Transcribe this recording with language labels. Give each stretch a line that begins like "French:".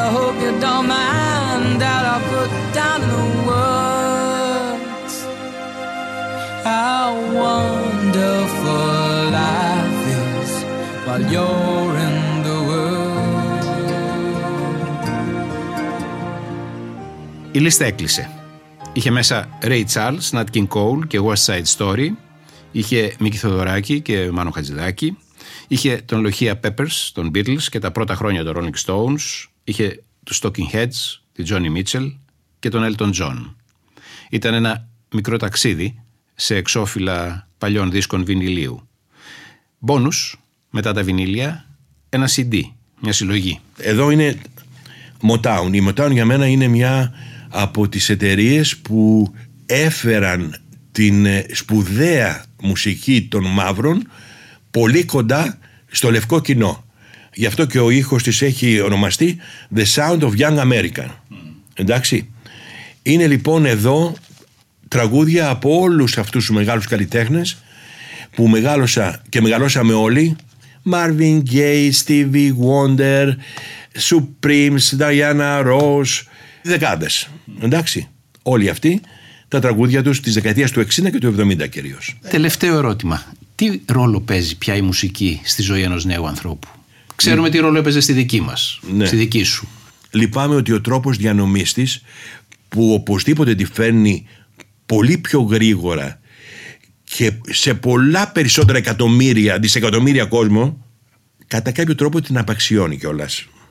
English: I hope you don't mind that I put down the words how wonderful life is while you're in the world.
Greek: Η λίστα έκλεισε. Είχε μέσα Ray Charles, Nat King Cole και West Side Story. Είχε Μίκη Θεοδωράκη και Μάνο Χατζηδάκη. Είχε τον Λοχία Peppers, τον Beatles και τα πρώτα χρόνια των Rolling Stones. Είχε τους Talking Heads, τη Johnny Mitchell και τον Elton John. Ήταν ένα μικρό ταξίδι σε εξώφυλλα παλιών δίσκων βινιλίου. Bonus, μετά τα βινίλια, ένα CD, μια συλλογή. Εδώ είναι Motown. Η Motown για μένα είναι μια από τις εταιρείες που έφεραν την σπουδαία μουσική των μαύρων πολύ κοντά στο λευκό κοινό. Γι' αυτό και ο ήχος της έχει ονομαστεί
English: The Sound of Young America.
Greek: Εντάξει. Είναι λοιπόν εδώ τραγούδια από όλους αυτούς τους μεγάλους καλλιτέχνες που μεγάλωσα και μεγαλώσαμε όλοι. Marvin Gaye, Stevie Wonder, Supremes, Diana Ross, δεκάδες. Εντάξει. Όλοι αυτοί τα τραγούδια τους της δεκαετίας του 60 και του 70 κυρίως. Τελευταίο ερώτημα. Τι ρόλο παίζει πια η μουσική στη ζωή ενός νέου ανθρώπου? Ξέρουμε τι ρόλο έπαιζε στη δική μας, ναι. Στη δική σου. Λυπάμαι ότι ο τρόπος διανομής της, που οπωσδήποτε τη φέρνει πολύ πιο γρήγορα και σε πολλά περισσότερα εκατομμύρια, δισεκατομμύρια κόσμο, κατά κάποιο τρόπο την απαξιώνει κιόλας.